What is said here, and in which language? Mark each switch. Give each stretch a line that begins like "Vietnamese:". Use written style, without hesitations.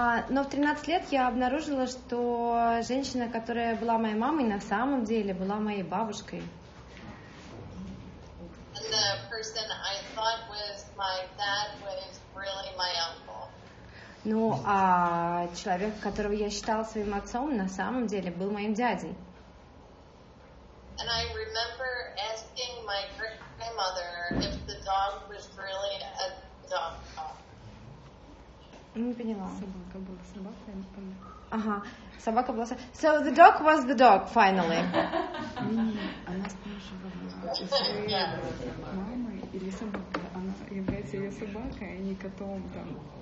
Russian: Но в 13 лет я обнаружила, что женщина, которая была моей мамой, на самом деле была моей бабушкой.
English: And the person I thought was my dad was really my uncle.
Russian: Ну, а человек, которого я считала своим отцом, на самом деле был моим дядей.
English: And I remember asking my grandmother if the dog was really a dog.
Russian: Не поняла. Собака была собака, я не помню. Ага, собака была собака.
English: So the dog was the dog, finally.
Russian: Она спрашивала, мама или собака? Она является ее собакой, а не котом там.